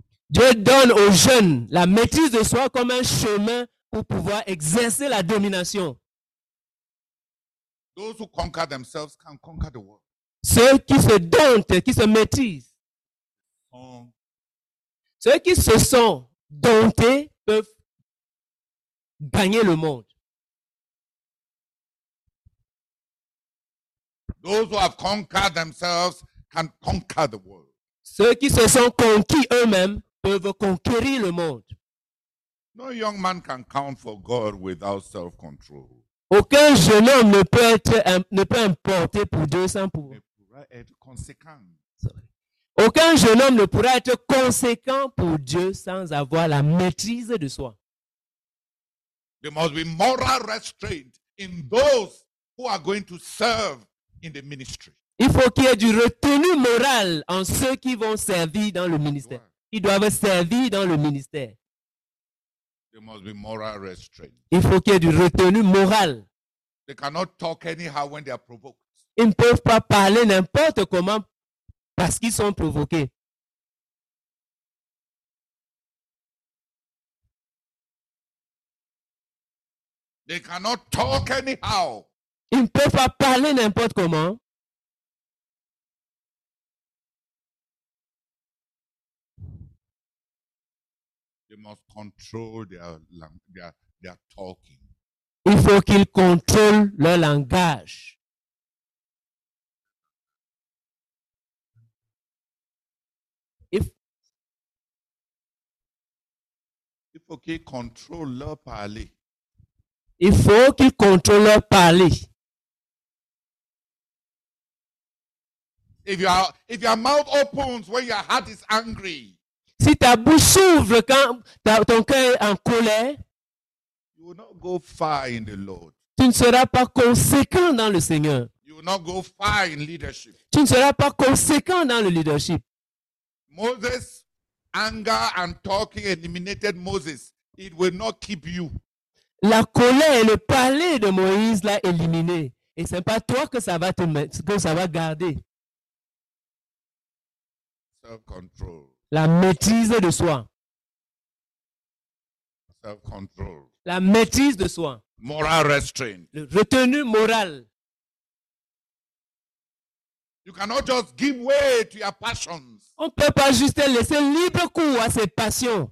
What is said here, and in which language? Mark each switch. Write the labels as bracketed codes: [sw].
[fr] Dieu donne aux jeunes la maîtrise de soi comme un chemin pour pouvoir exercer la domination. [en] Those who conquer themselves can conquer the world. [fr] Ceux qui se domptent, qui se maîtrisent. Ceux qui se sont domptés peuvent gagner le monde. [en] Those who have conquered themselves can conquer the world. [fr] Ceux qui se sont conquis eux-mêmes peuvent conquérir le monde. [en] No young man can count for God without self-control. [fr] Aucun jeune homme ne peut importer pour Dieu sans pouvoir. Il pourra être conséquent. Aucun jeune homme ne pourra être conséquent pour Dieu sans avoir la maîtrise de soi. [en] There must be moral restraint in those who are going to serve in the ministry. [fr] Il faut qu'il y ait du retenue morale en ceux qui vont servir dans le ministère. Ils doivent servir dans le ministère. [en] There must be moral restraint. [fr] Il faut qu'il y ait du retenue morale. [en] They cannot talk anyhow when they are provoked. [fr] Ils ne peuvent pas parler n'importe comment parce qu'ils sont provoqués. [en] They cannot talk anyhow. [fr] Ils ne peuvent pas parler n'importe comment. [en] They must control their talking. [fr] Il faut qu'ils contrôlent leur langage. Il faut qu'ils contrôlent leur parler. Il faut qu'ils contrôlent leur parler. [en] If your mouth opens when your heart is angry. [fr] Si ta bouche s'ouvre quand ton cœur est en colère, [en] you will not go far in the Lord. [fr] Tu ne seras pas conséquent dans le Seigneur. [en] You will not go far in leadership. [fr] Tu ne seras pas conséquent dans le leadership. [en] Moses, anger and talking eliminated Moses. It will not keep you. [fr] La colère et le parler de Moïse l'a éliminé. Et ce n'est pas toi que ça va te mettre, que ça va garder. [en] Self-control. [fr] La maîtrise de soi. [en] Self-control. [fr] La maîtrise de soi. [en] Moral restraint. [fr] Le retenue morale. [en] You cannot just give way to your passions. [fr] On ne peut pas juste laisser libre cours à ses passions.